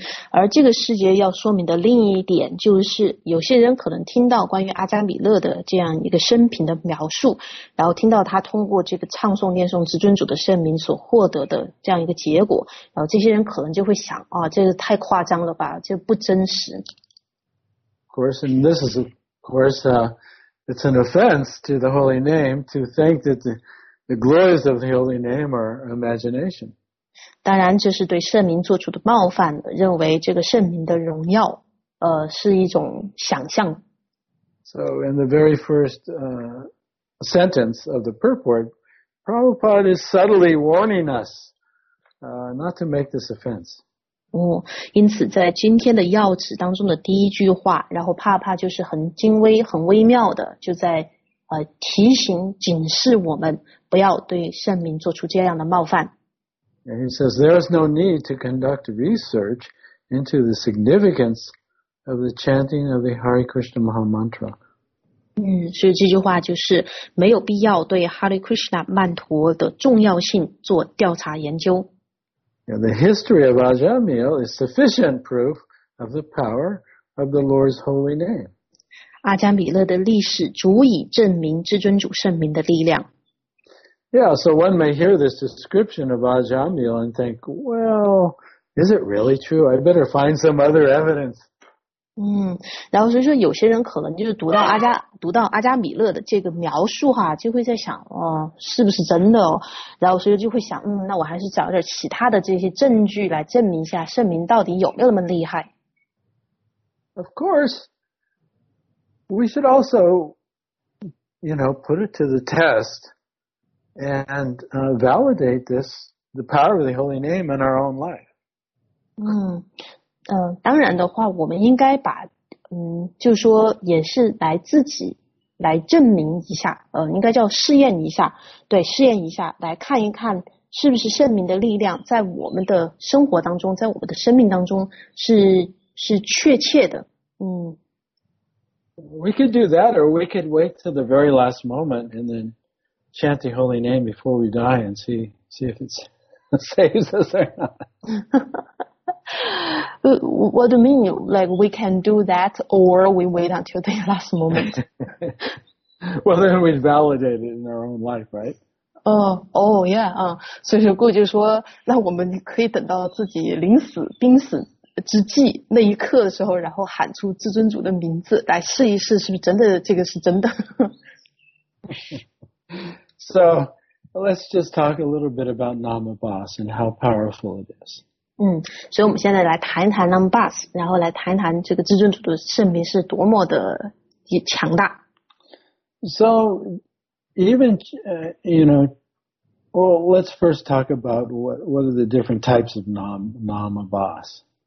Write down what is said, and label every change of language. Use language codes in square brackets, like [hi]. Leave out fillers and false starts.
[zh] 而这个师节要说明的另一点就是，有些人可能听到关于阿加米勒的这样一个生平的描述，然后听到他通过这个唱诵念诵至尊主的圣名所获得的这样一个结果，然后这些人可能就会想，这个太夸张了吧，这不真实。 [en] Of course, and this is, of course, it's an offense to the holy name to think that the glories of the holy name are imagination. [zh] 当然这是对圣名做出的冒犯，认为这个圣名的荣耀是一种想象。 [en] So in the very first sentence of the purport, Prabhupada is subtly warning us not to make this offense. [zh] 因此在今天的要旨当中的第一句话，然后帕帕就是很精微很微妙的就在提醒警示我们不要对圣名做出这样的冒犯。 [en] And he says there is no need to conduct research into the significance of the chanting of the Hare Krishna Maha Mantra. [zh] 所以这句话就是没有必要对 Hare Krishna 曼陀的重要性做调查研究。 [en] And the history of Ajamil is sufficient proof of the power of the Lord's holy name. [zh] 阿迦米勒的历史足以证明至尊主圣名的力量。 [en] Yeah, so one may hear this description of Ajamil and think, well, is it really true? I better find some other evidence. [zh] 然后所以说有些人可能就是读到阿迦米勒的这个描述哈，就会在想，哦，是不是真的哦？然后所以就会想，那我还是找点其他的这些证据来证明一下圣名到底有没有那么厉害。 [en] Of course, we should also, you know, put it to the test. And validate this, the power of the Holy Name in our own life. [zh] 当然的话，我们应该把，就说也是来自己来证明一下，应该叫试验一下，对，试验一下，来看一看是不是圣名的力量在我们的生活当中，在我们的生命当中是确切的。 [en] We could do that, or we could wait till the very last moment and then. Chant the holy name before we die and see if it saves us or not. What do you mean? Like we can do that or we wait until the last moment? Well, then we validate it in our own life, right? [zh] So 顾就说那我们可以等到自己临死濒死之际那一刻的时候然后喊出至尊主的名字来试一试是不是真的这个是真的。 [en] So let's just talk a little bit about Namabhas and how powerful it is. [zh] 所以我们现在来谈一谈 Namabhas， 然后来谈一谈这个至尊主的圣名是多么的强大。 [en] So even you know, well, let's first talk about what are the different types of Namabhas.